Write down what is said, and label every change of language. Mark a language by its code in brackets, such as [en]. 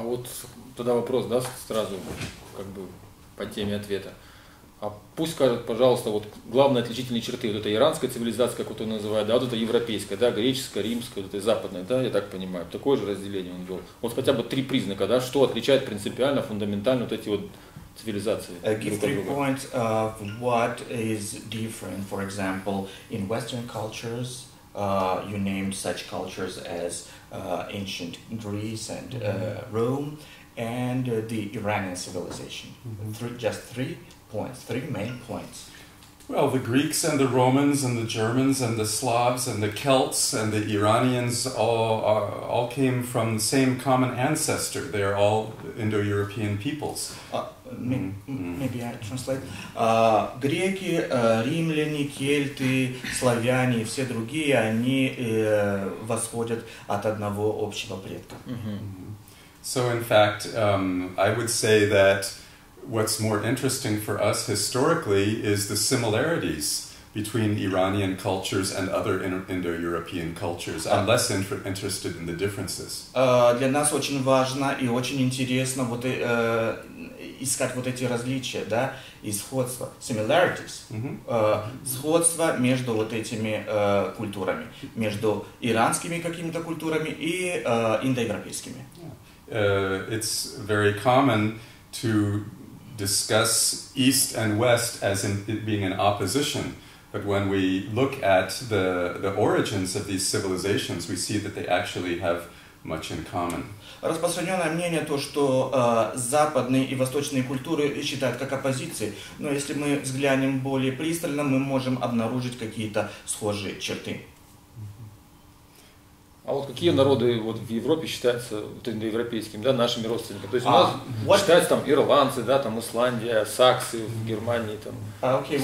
[ru] А вот тогда вопрос, да, сразу как бы по теме ответа. А пусть скажет, пожалуйста, вот главные отличительные черты вот этой иранской цивилизации, как вот он называет, да, вот это европейская, да, греческая, римская, вот этой западная, да, я так понимаю, такое же разделение он вел. Вот хотя бы три признака, да, что отличает принципиально, фундаментально вот эти вот цивилизации. [en] Give three points of what is different, for example, in Western cultures, you named such cultures as ancient Greece and Rome, and the Iranian civilization. Just three. Points, three main points. Well, the Greeks and the Romans and the Germans and the Slavs and the Celts and the Iranians all came from the same common ancestor. They're all Indo-European peoples. Maybe I translate. [ru] Греки, римляне, кельты, славяне и все другие, они восходят от одного общего предка. [en] So, in fact, I would say that what's more interesting for us historically is the similarities between Iranian cultures and other Indo-European cultures. I'm less interested in the differences. [ru] Для нас очень важно и очень интересно вот искать вот эти различия, да, и сходства, similarities, сходства между вот этими культурами, между иранскими какими-то культурами и индоевропейскими. [en] It's very common to discuss East and West as in it being in opposition, but when we look at the origins of these civilizations, we see that they actually have much in common. [ru] Распространенное мнение то, что западные и восточные культуры считают как оппозиции, но если мы взглянем более пристально, мы можем обнаружить какие-то схожие черты. А вот какие народы вот в Европе считаются вот индоевропейскими, да, нашими родственниками? То есть у нас считаются там ирландцы, да, там Исландия, саксы в Германии, там.